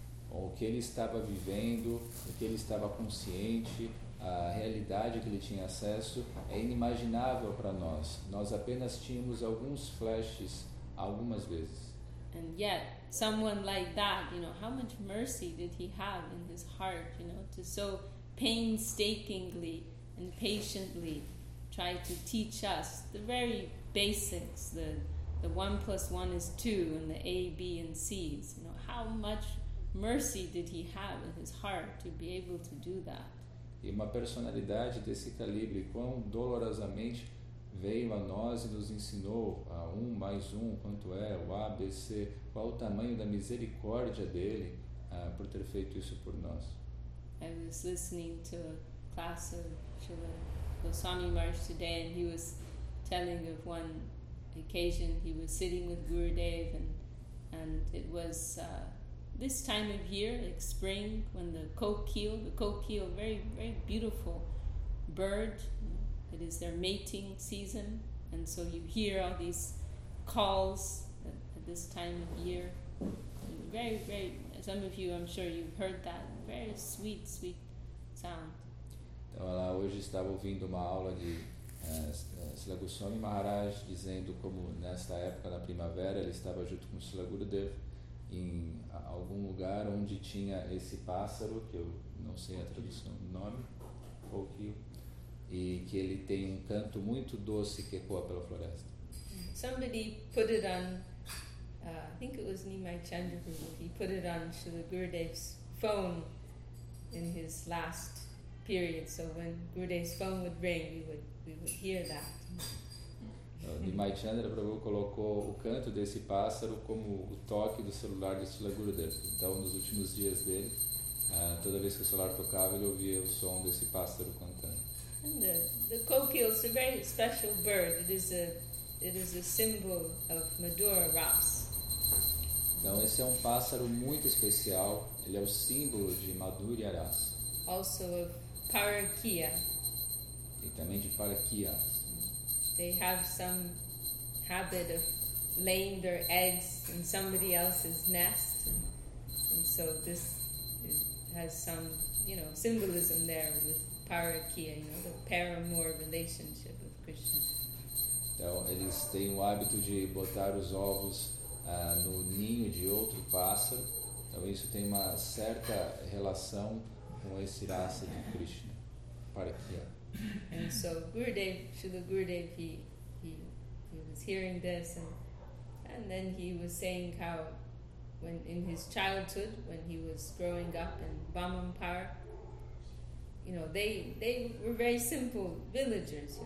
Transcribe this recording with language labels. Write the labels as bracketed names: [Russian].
[Portuguese] O que ele estava vivendo, o que ele estava consciente, a realidade que ele tinha acesso é inimaginável para nós. Nós apenas tínhamos alguns flashes algumas vezes. [English] And yet, someone like that, how much mercy did he have in his heart, to so painstakingly and patiently try to teach us the very basics, the 1 + 1 = 2 and the A, B and C's. How much mercy did he have in his heart to be able to do that? [Portuguese] E uma personalidade desse calibre, quão dolorosamente veio a nós e nos ensinou a 1 + 1, quanto é o ABC, qual o tamanho da misericórdia dele por ter feito isso por nós. [English] I was listening to a class of Srila Goswami Maharaj today, and he was telling of one occasion he was sitting with Gurudev, and it was this time of year, like spring, when the kokil, very, very beautiful bird. It is their mating season, and so you hear all these calls at this time of year. And very, very, some of you, I'm sure you've heard that. Very sweet, sweet sound. [Portuguese] Então, ela hoje estava ouvindo uma aula de Srila Goswami Maharaj, dizendo como nesta época da primavera ele estava junto com Srila Gurudev em algum lugar onde tinha esse pássaro, que eu não sei a tradução do nome, kokil. E que ele tem um canto muito doce que ecoa pela floresta. [English] Somebody put it on, I think it was Nimai Chandrabhu, he put it on Srila Gurudev's phone in his last period. So when Gurudev's phone would ring, we would hear that. [Portuguese] Nimai Chandrabhu colocou o canto desse pássaro como o toque do celular de Srila Gurudev. Então, nos últimos dias dele, toda vez que o celular tocava, ele ouvia o som desse pássaro cantando. [English] And the kokil is a very special bird. It is a symbol of Madura Ras. [Portuguese] Então esse é um pássaro muito especial. Ele é o símbolo de Madura Ras. [English] Also of Parakia. [Portuguese] E também de Parakia. [English] They have some habit of laying their eggs in somebody else's nest, and so this has some, symbolism there with Parakia, the paramour relationship of Krishna. [Portuguese] Então, eles têm o hábito de botar os ovos no ninho de outro pássaro. Então, isso tem uma certa relação com esse raça de Krishna, Parakia. [English] And so, Srila Gurudev, he was hearing this, and then he was saying how when in his childhood, when he was growing up in Bamanpar, you know, they were very simple villagers.